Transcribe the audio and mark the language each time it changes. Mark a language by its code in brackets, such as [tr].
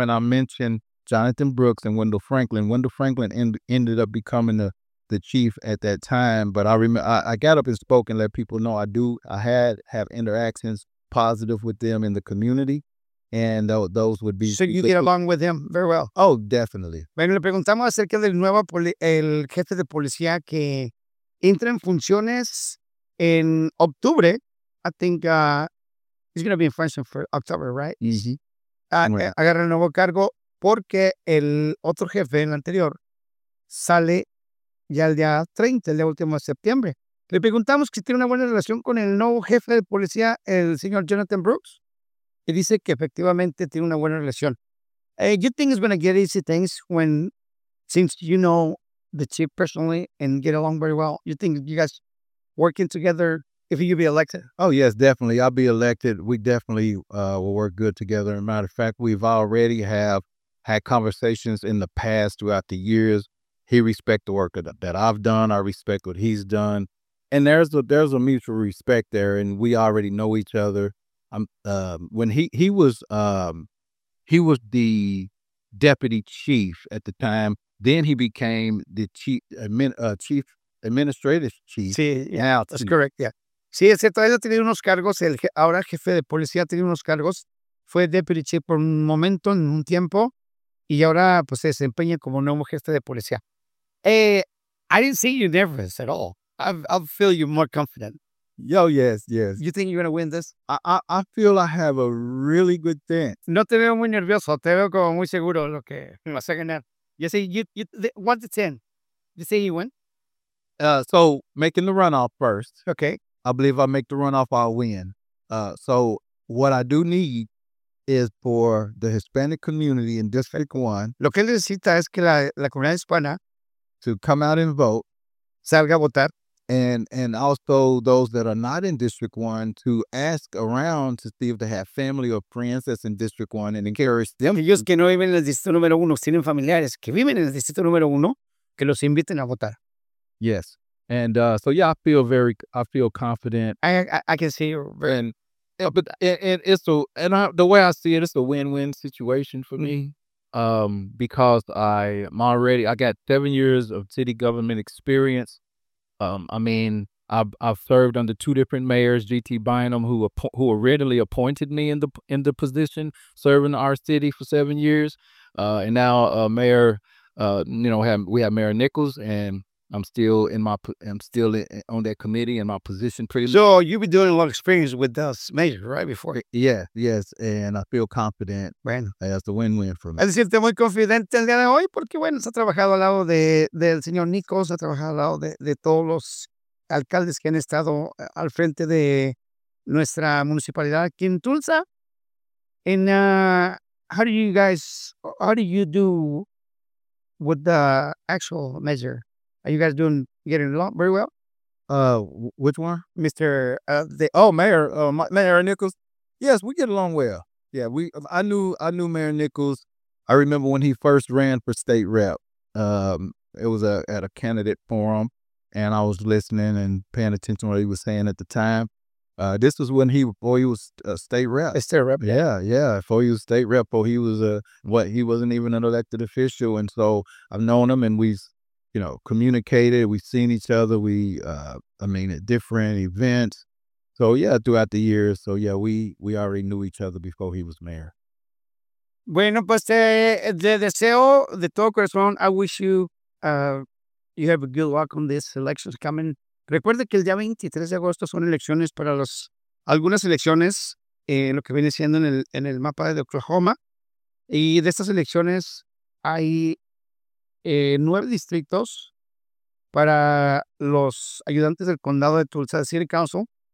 [en] And I mentioned Jonathan Brooks and Wendell Franklin. Wendell Franklin ended up becoming the chief at that time. But I got up and spoke and let people know I have interactions positive with them in the community. And those would be... So you get along with him very well? Oh, definitely. [es] Bueno, le preguntamos acerca del nuevo el jefe de policía que entra en funciones en octubre. [en] I think he's going to be in function for October, right? Mm-hmm. [es] Agarra el nuevo cargo porque el otro jefe, el anterior, sale ya el día 30, el día último de septiembre. Le preguntamos si tiene una buena relación con el nuevo jefe de policía, el señor Jonathan Brooks. Y dice que efectivamente tiene una buena relación. [en] You think it's going to get easy things when, since you know the chief personally and get along very well, you think you guys working together, if you be elected? Oh, yes, definitely. I'll be elected. We definitely will work good together. As a matter of fact, we've already have had conversations in the past throughout the years. He respect the work that I've done. I respect what he's done. And there's a mutual respect there, and we already know each other. When he was the deputy chief at the time, then he became the chief administrative chief. Sí, yeah, that's chief. Correct, yeah. [es] Sí, ese todavía tiene unos cargos, ahora el jefe de policía tiene unos cargos, fue deputy chief por un momento, en un tiempo, y ahora pues se desempeña como nuevo jefe de policía. [en] I didn't see you nervous at all. I feel you more confident. Yo, yes, yes. You think you're going to win this? I feel I have a really good chance. [es] No te veo muy nervioso. Te veo como muy seguro lo que vas a ganar. [en] You say, one to 10. You say you win? So, making the runoff first. Okay. I believe I make the runoff, I'll win. So, what I do need is for the Hispanic community in District 1. [es] Lo que necesita es que la comunidad hispana. [en] To come out and vote. [es] Salga a votar. [en] And also those that are not in District 1 to ask around to see if they have family or friends that's in District 1 and encourage them. [es] Ellos que no viven en el distrito número uno, tienen familiares que viven en el distrito número uno, que los inviten a votar. [en] Yes. And so, yeah, I feel confident. I can see you're very... The way I see it, it's a win-win situation for me. Because I'm already, I got 7 years of city government experience. I mean, I've served under two different mayors, G.T. Bynum, who originally appointed me in the position, serving our city for 7 years, and now Mayor, we have Mayor Nichols, and I'm still on that committee in my position. So you've been doing a lot of experience with those mayors, right? Before, yeah, yes, and I feel confident. [es] Bueno, [en] that's the win-win for me. [es] Es decir, estoy muy confidente el día de hoy porque bueno, se ha trabajado al lado del señor Nichols, ha trabajado al lado de todos los alcaldes que han estado al frente de nuestra municipalidad aquí en Tulsa. [en] And how do you do with the actual measure? Are you guys getting along very well? Which one? Mayor Nichols. Yes, we get along well. Yeah, I knew Mayor Nichols. I remember when he first ran for state rep. It was at a candidate forum. And I was listening and paying attention to what he was saying at the time. This was when he was state rep. State rep. Yeah, yeah. Before he was state rep, he wasn't even an elected official. And so I've known him, and we communicated. We've seen each other. We at different events. So yeah, throughout the years. So yeah, we already knew each other before he was mayor. [es] Bueno, pues te deseo de todo corazón. [en] I wish you. You have a good luck on these elections coming. [es] Recuerde que el día 23 de agosto son elecciones para algunas elecciones en lo que viene siendo en el mapa de Oklahoma. Y de estas elecciones hay 9 distritos para los ayudantes del condado de Tulsa, de City Council.